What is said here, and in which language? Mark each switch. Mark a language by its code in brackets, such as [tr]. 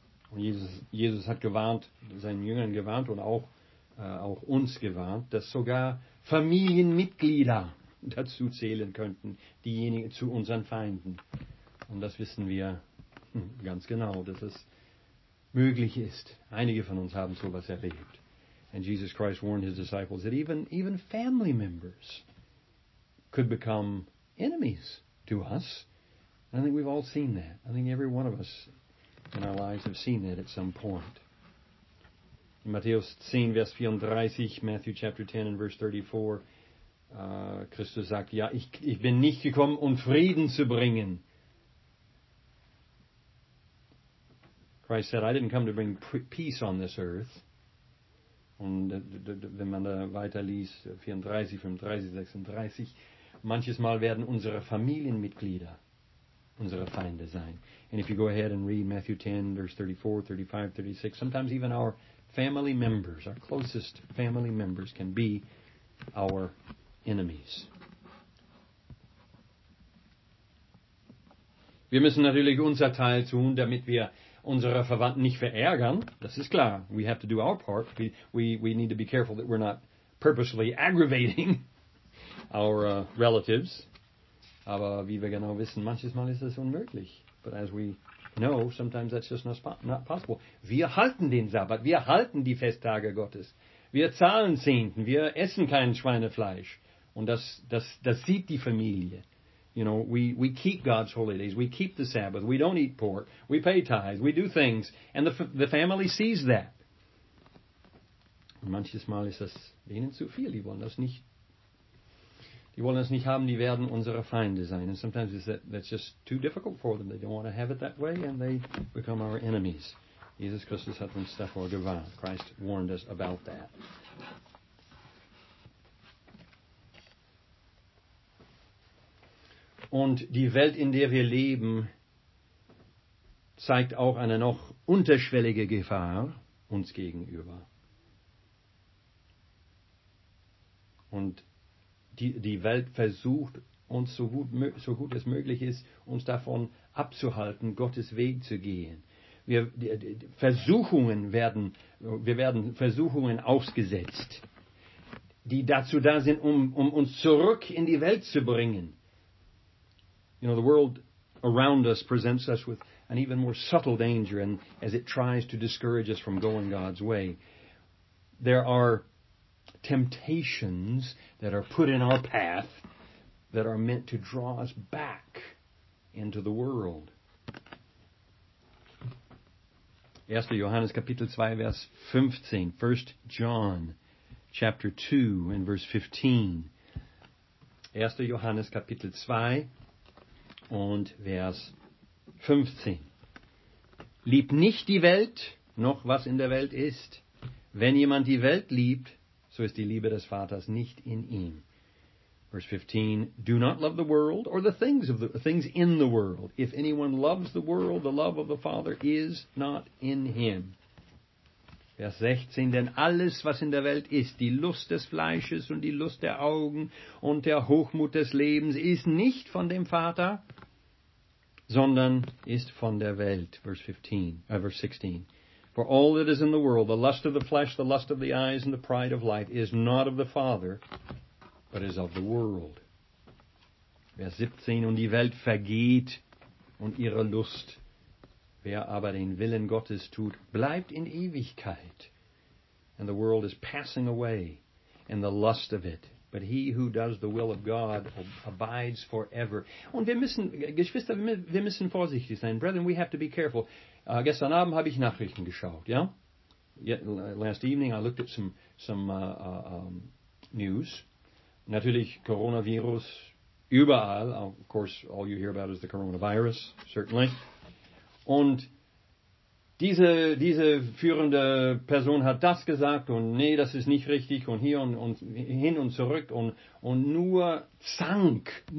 [de] Und Jesus hat gewarnt, seinen Jüngern gewarnt und auch uns gewarnt, dass sogar Familienmitglieder dazu zählen könnten, diejenigen zu unseren Feinden. Und das wissen wir ganz genau, dass es möglich ist. Einige von uns haben sowas erlebt. [en] And Jesus Christ warned his disciples that even family members could become enemies to us. And I think we've all seen that. I think every one of us in our lives have seen that at some point. [de] In Matthäus 10, Vers 34, [en] Matthew chapter 10 and verse 34, [de] Christus sagt, ja, ich bin nicht gekommen, um Frieden zu bringen. [en] Christ said, I didn't come to bring peace on this earth. [de] Und wenn man da weiter liest, 34, 35, 36, manches Mal werden unsere Familienmitglieder unsere Feinde sein. [en] And if you go ahead and read Matthew 10, verse 34, 35, 36, sometimes even our family members, our closest family members can be our enemies. [de] Wir müssen natürlich unser Teil tun, damit wir unsere Verwandten nicht verärgern. Das ist klar. [en] We have to do our part. We need to be careful that we're not purposely aggravating our relatives. [de] Aber wie wir genau wissen, manches Mal ist das unmöglich. [en] But as we know, sometimes that's just not possible. [de] Wir halten den Sabbat. Wir halten die Festtage Gottes. Wir zahlen Zehnten. Wir essen kein Schweinefleisch. Und das sieht die Familie. [en] You know, we keep God's holy days. We keep the Sabbath. We don't eat pork. We pay tithes. We do things. And the family sees that. [de] Und manches Mal ist das ihnen zu viel. Die wollen das nicht. Die wollen es nicht haben, die werden unsere Feinde sein. [en] And sometimes that's just too difficult for them. They don't want to have it that way and they become our enemies. [de] Jesus Christus hat uns davor gewarnt. [en] Christ warned us about that. [de] Und die Welt, in der wir leben, zeigt auch eine noch unterschwellige Gefahr uns gegenüber. Und die Welt versucht uns, so gut es möglich ist, uns davon abzuhalten, Gottes Weg zu gehen. Wir werden Versuchungen ausgesetzt, die dazu da sind, um uns zurück in die Welt zu bringen. [en] You know, the world around us presents us with an even more subtle danger, and as it tries to discourage us from going God's way, there are temptations that are put in our path that are meant to draw us back into the world. [de] 1. Johannes Kapitel 2, Vers 15. 1. [en] John chapter 2 and verse 15. [de] 1. Johannes Kapitel 2 und Vers 15. Liebt nicht die Welt, noch was in der Welt ist. Wenn jemand die Welt liebt, so ist die Liebe des Vaters nicht in ihm. [en] Verse 15, do not love the world or the things of the things in the world. If anyone loves the world, the love of the Father is not in him. [de] Vers 16, denn alles, was in der Welt ist, die Lust des Fleisches und die Lust der Augen und der Hochmut des Lebens, ist nicht von dem Vater, sondern ist von der Welt. [en] Verse 16, for all that is in the world, the lust of the flesh, the lust of the eyes, and the pride of life, is not of the Father, but is of the world. [de] Vers 17, und die Welt vergeht und ihre Lust. Wer aber den Willen Gottes tut, bleibt in Ewigkeit. [en] And the world is passing away, and the lust of it. But he who does the will of God abides forever. [de] Und wir müssen, Geschwister, wir müssen vorsichtig sein. [en] Brethren, we have to be careful. [de] Gestern Abend habe ich Nachrichten geschaut, ja? [en] Last evening I looked at some news. [de] Natürlich Coronavirus überall. [en] Of course, all you hear about is the coronavirus, certainly. [de] Und diese führende Person hat das gesagt und nee, das ist nicht richtig und hier und hin und zurück und nur Zank.